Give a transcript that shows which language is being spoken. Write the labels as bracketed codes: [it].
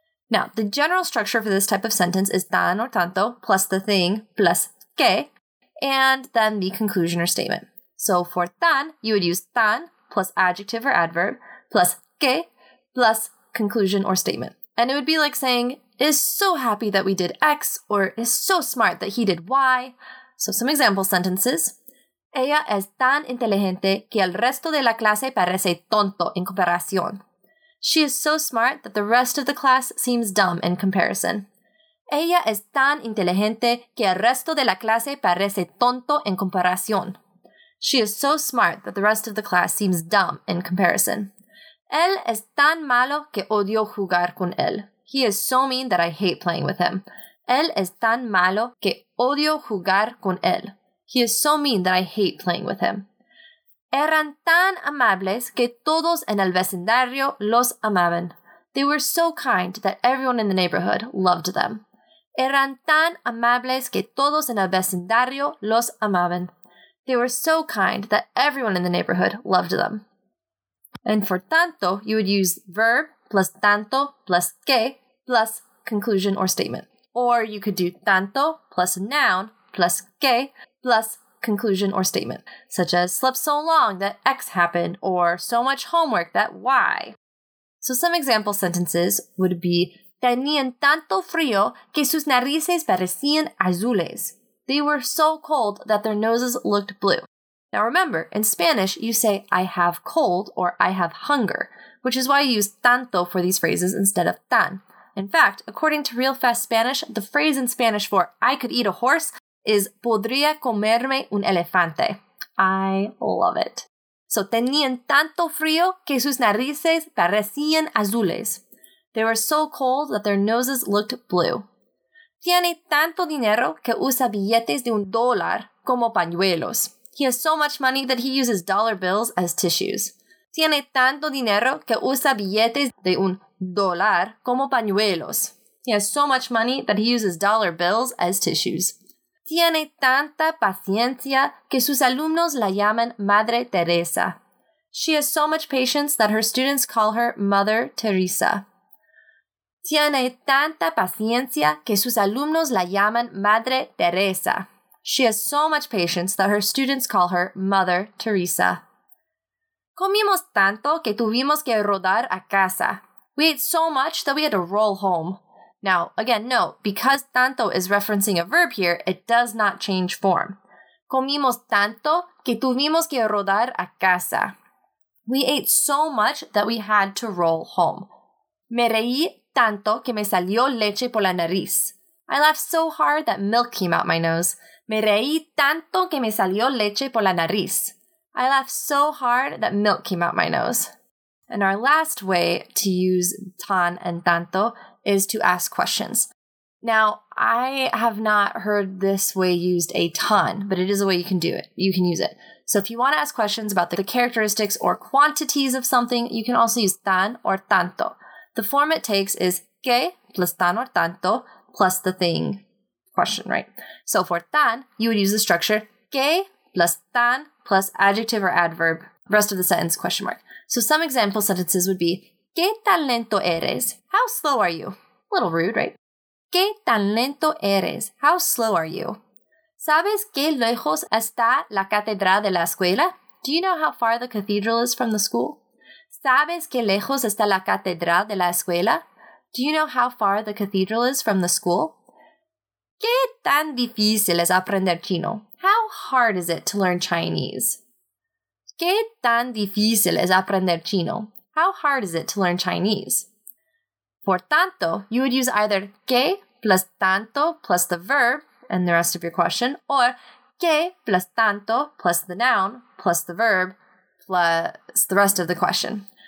[en] Now, the general structure for this type of sentence is tan or tanto plus the thing plus que, and then the conclusion or statement. So for tan, you would use tan plus adjective or adverb plus que plus conclusion or statement. And it would be like saying, is so happy that we did X, or is so smart that he did Y. So some example sentences. [es] Ella es tan inteligente que el resto de la clase parece tonto en comparación. [en] She is so smart that the rest of the class seems dumb in comparison. [es] Ella es tan inteligente que el resto de la clase parece tonto en comparación. [en] She is so smart that the rest of the class seems dumb in comparison. [es] Él es tan malo que odio jugar con él. [en] He is so mean that I hate playing with him. [es] Él es tan malo que odio jugar con él. [en] He is so mean that I hate playing with him. [es] Eran tan amables que todos en el vecindario los amaban. [en] They were so kind that everyone in the neighborhood loved them. [es] Eran tan amables que todos en el vecindario los amaban. [en] They were so kind that everyone in the neighborhood loved them. And for tanto, you would use verb plus tanto plus que plus conclusion or statement. Or you could do tanto plus noun plus que plus conclusion or statement, such as slept so long that X happened or so much homework that Y. So some example sentences would be [es] tenían tanto frío que sus narices parecían azules. [en] They were so cold that their noses looked blue. Now remember, in Spanish, you say, I have cold or I have hunger, which is why you use tanto for these phrases instead of tan. In fact, according to Real Fast Spanish, the phrase in Spanish for I could eat a horse is [es] podría comerme un elefante. [en] I love it. [es] So tenían tanto frío que sus narices parecían azules. [en] They were so cold that their noses looked blue. [es] Tiene tanto dinero que usa billetes de un dólar como pañuelos. [en] He has so much money that he uses dollar bills as tissues. [es] Tiene tanto dinero que usa billetes de un dólar como pañuelos. [en] He has so much money that he uses dollar bills as tissues. [es] Tiene tanta paciencia que sus alumnos la llaman Madre Teresa. [en] She has so much patience that her students call her Mother Teresa. [es] Tiene tanta paciencia que sus alumnos la llaman Madre Teresa. [en] She has so much patience that her students call her Mother Teresa. [es] Comimos tanto que tuvimos que rodar a casa. [en] We ate so much that we had to roll home. Now, again, no, because tanto is referencing a verb here, it does not change form. [es] Comimos tanto que tuvimos que rodar a casa. [en] We ate so much that we had to roll home. [es] Me reí tanto que me salió leche por la nariz. [en] I laughed so hard that milk came out my nose. [es] Me reí tanto que me salió leche por la nariz. [en] I laughed so hard that milk came out my nose. And our last way to use tan and tanto is to ask questions. Now, I have not heard this way used a ton, but it is a way you can do it. You can use it. So if you want to ask questions about the characteristics or quantities of something, you can also use tan or tanto. The form it takes is que plus tan or tanto plus the thing question, right? So for tan, you would use the structure que plus tan plus adjective or adverb, rest of the sentence, question mark. So some example sentences would be, [es] ¿Qué tan lento eres? [en] How slow are you? A little rude, right? [es] ¿Qué tan lento eres? [en] How slow are you? [es] ¿Sabes qué lejos está la catedral de la escuela? [en] Do you know how far the cathedral is from the school? [es] ¿Sabes qué lejos está la catedral de la escuela? [en] Do you know how far the cathedral is from the school? [es] ¿Qué tan difícil es aprender chino? [en] How hard is it to learn Chinese? [es] ¿Qué tan difícil es aprender chino? [en] How hard is it to learn Chinese? Por tanto, you would use either que plus tanto plus the verb and the rest of your question, or que plus tanto plus the noun plus the verb plus the rest of the question.